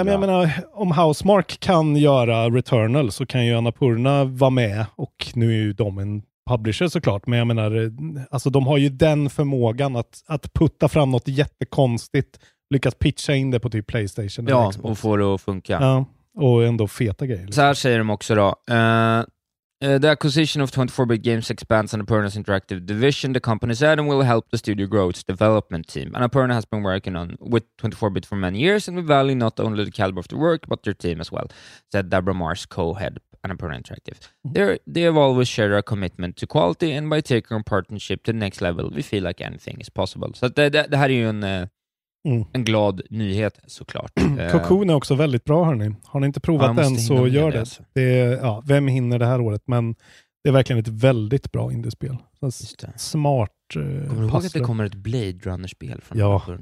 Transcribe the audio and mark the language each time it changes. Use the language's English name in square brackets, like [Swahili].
[Swedish] Ja, men jag menar, om Housemarque kan göra Returnal så kan ju Annapurna vara med, och nu är ju de en publisher såklart, men jag menar alltså de har ju den förmågan att putta fram något jättekonstigt, lyckas pitcha in det på typ PlayStation eller Xbox. Och få det att funka. Ja. Och ändå feta grejer. Liksom. Så här säger de också då. [English] The acquisition of 24-bit Games expands Annapurna's interactive division, the company said, and will help the studio grow its development team. Annapurna has been working on with 24-bit for many years, and we value not only the caliber of the work, but their team as well, said Deborah Mars, co-head Annapurna Interactive. They have always shared a commitment to quality, and by taking our partnership to the next level, we feel like anything is possible. [Swedish] Så det här är ju en glad nyhet, såklart. Cocoon är också väldigt bra, hörni. Har ni inte provat den så gör det. Vem hinner det här året? Men det är verkligen ett väldigt bra indiespel. Smart. Kommer du ihåg att det kommer ett Blade Runner-spel från Cocoon?